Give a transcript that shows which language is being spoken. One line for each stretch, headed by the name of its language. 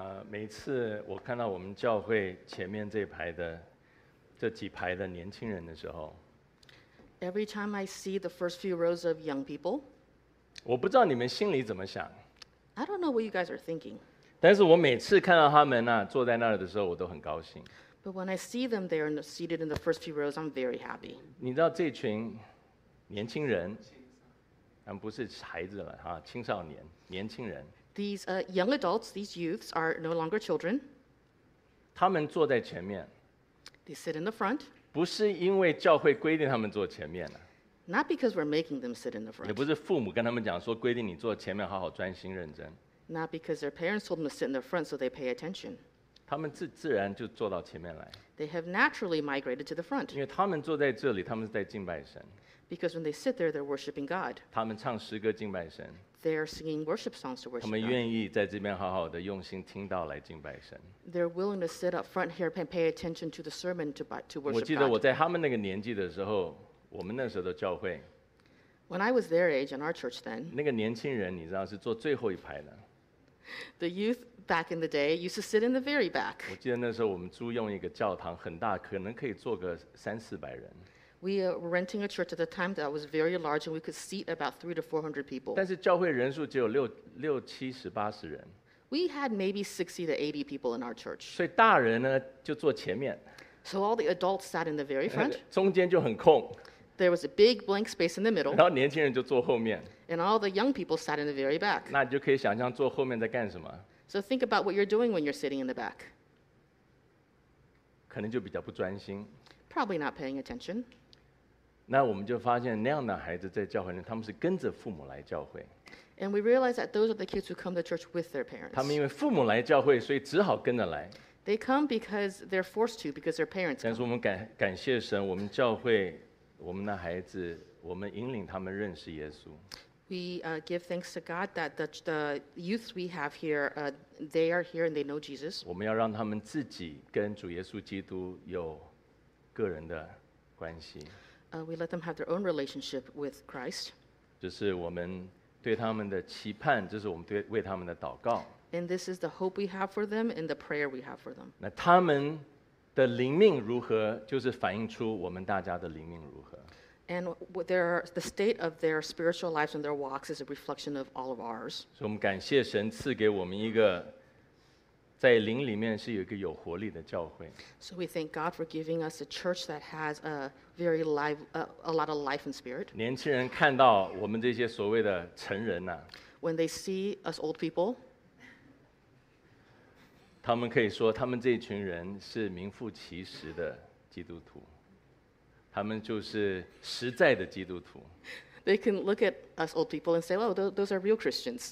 Chinese: 每次我看到我们教会前面这排的这几排的年轻人的时候
English: ，Every time I see the first few rows of young people,
Chinese: 我不知道你们心里怎么想。
English: I don't know what you guys are thinking.
Chinese: 但是我每次看到他们啊坐在那儿的时候，我都很高兴。
English: But when I see them there seated in the first few rows, I'm very happy.
Chinese: 你知道这群年轻人，不是孩子了哈，青少年，年轻人。
English: These young adults, these youths are no longer children.
Chinese: 他们坐在前面。
English: They sit in the front.
Chinese: 不是因为教会规定他们坐前面了。
English: Not because we're making them sit in the front.
Chinese: 也不是父母跟他们讲说规定你坐前面好好专心认真。
English: Not because their parents told them to sit in the front so they pay attention.
Chinese: 他们自然就坐到前面来。
English: They have naturally migrated to the front.
Chinese: 因为他们坐在这里，他们是在敬拜神。
English: Because when they sit there, they're worshiping God.
Chinese: 他们唱诗歌敬拜神。
English: They're singing worship songs to worship God.
Chinese: 他们愿意在这边好好的用心听到来敬拜神。
English: They're willing to sit up front here and pay attention to the sermon to worship God.
Chinese: 我记得我在他们那个年纪的时候，我们那时候的教会。
English: When I was their age in our church then.
Chinese: 那个年轻人你知道是坐最后一排的。
English: The youth back in the day used to sit in the very back.
Chinese: 我记得那时候我们租用一个教堂很大，可能可以坐个三四百人。
English: We were renting a church at the time that was very large, and we could seat about 300 to 400 people.
Chinese: 但是教会人数只有六七十八十人。
English: We had maybe 60 to 80 people in our church.
Chinese: 所以大人呢就坐前面。
English: So all the adults sat in the very front.
Chinese: 中间就很空。
English: There was a big blank space in the middle.
Chinese: 然后年轻人就坐后面。
English: And all the young people sat in the very back.
Chinese: 那你就可以想象坐后面在干什么。
English: So think about what you're doing when you're sitting in the back.
Chinese: 可能就比较不专心。
English: Probably not paying attention.
Chinese: 那我们就发现那样的孩子在教会里，他们是跟着父母来教会。
English: And we realize that those are the kids who come to church with their parents.
Chinese: 他们因为父母来教会，所以只好跟着来。
English: They come because they're forced to because their parents.
Chinese: 但是我们感谢神，我们教会，我们的孩子，我们引领他们认识耶稣。
English: We give thanks to God that the youth we have here, they are here and they know Jesus.
Chinese: 我们要让他们自己跟主耶稣基督有个人的关系。
English: We let them have their own relationship with Christ.
Chinese: 就是我们对他们的期盼，就是我们对为他们的祷告。
English: And this is the hope we have for them, and the prayer we have for them.
Chinese: 那他们的灵命如何，就是反映出我们大家的灵命如何。
English: And their the state of their spiritual lives and their walks is a reflection of all of ours.
Chinese: 所以我们感谢神赐给我们一个。在灵里面是有一个有活力的教会。
English: So we thank God for giving us a church that has a very live, a lot of life and spirit.
Chinese: 年轻人看到我们这些所谓的成人呐、啊、
English: ，When they see us old people,
Chinese: 他们可以说他们这群人是名副其实的基督徒，他们就是实在的基督徒。
English: They can look at us old people and say, "Oh, those are real Christians."